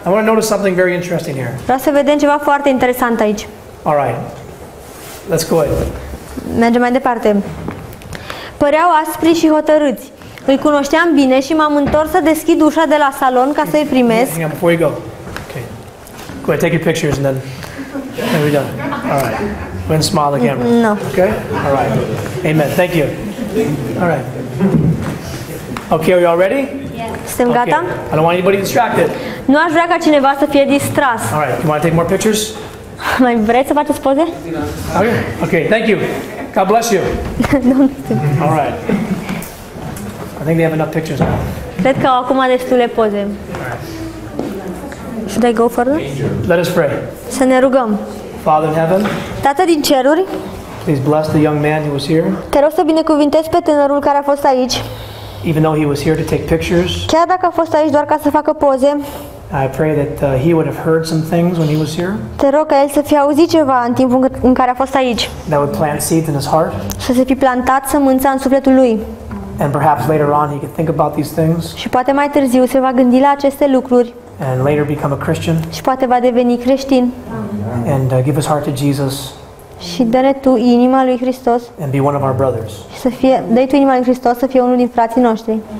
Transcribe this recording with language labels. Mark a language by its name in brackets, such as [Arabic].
[English] I want to notice something very interesting here. [Romanian] Vreau să vedem ceva foarte interesant aici. [English] All right. Let's go ahead. [Romanian] Mergem mai departe. Păreau aspri și hotărâți. Îi cunoșteam bine și m-am întors să deschid ușa de la salon ca să-i primesc. [English] Hang on, before you go. Okay. Go ahead, take your pictures and then we're done. All right. Go ahead and smile on the camera. No. Okay? All right. Amen. Thank you. All right. Okay, are you all ready? [Romanian] Yes. Suntem gata? [English] I don't want anybody distracted. [Romanian] Nu aș vrea ca cineva să fie distras. [English] All right. You want to take more pictures? [Romanian] Mai vreți să faceți poze? [English] Okay. Okay, thank you. God bless you. All right. I think they have enough pictures now. [Romanian] Cred că acum au destule poze. [English] Should I go further? Let us pray. [Romanian] Să ne rugăm. [English] Father in heaven. [Romanian] Tată din ceruri. [English] Please bless the young man who was here. [Romanian] Te rog să binecuvintezi pe tânărul care a fost aici. [English] Even though he was here to take pictures. [Romanian] Chiar dacă a fost aici doar ca să facă poze. [English] I pray that he would have heard some things when he was here. [Romanian] Te rog ca el să fie auzit ceva în timpul în care a fost aici. [English] That would plant seeds in his heart. [Romanian] Să se fi plantat sămânța în sufletul lui. [English] And perhaps later on he could think about these things. [Romanian] Și poate mai târziu se va gândi la aceste lucruri. [English] And later become a Christian. [Romanian] Și poate va deveni creștin. [English] And give his heart to Jesus. [Romanian] Și dă-ne tu inima lui Hristos. [English] And be one of our brothers. [Romanian] Și să fie, dă-i tu inima lui Hristos să fie unul din frații noștri.